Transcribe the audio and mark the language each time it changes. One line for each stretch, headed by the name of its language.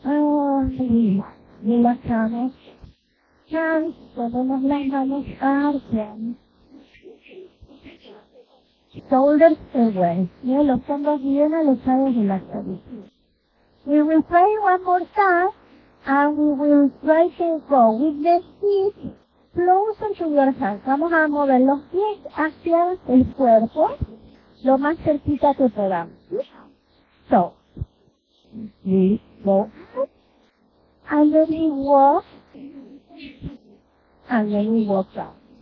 Spanish: And relaxamos. And ponemos las manos hacia arriba.
English: Shoulders away.
Spanish: Y los hombros bien alejados de la cabeza.
English: We will try one more time. And we will try to go with the feet. Closer to your hands.
Spanish: Vamos a mover los pies hacia el cuerpo, lo más cerquita que podamos.
English: So, we go up, and then we walk, and then we walk down.